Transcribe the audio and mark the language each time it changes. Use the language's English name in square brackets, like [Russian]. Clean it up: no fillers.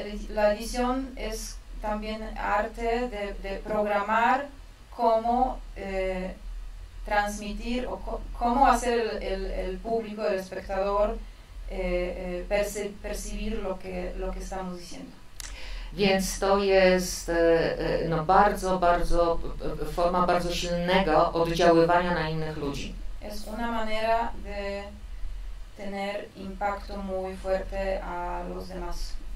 [Spanish] La edición es también arte de programar cómo transmitir o cómo hacer el público, el espectador percibir lo que estamos diciendo. [Polish] Więc to jest no bardzo, bardzo forma bardzo silnego oddziaływania na innych ludzi. [Spanish] Es una manera de tener impacto muy fuerte a los demás.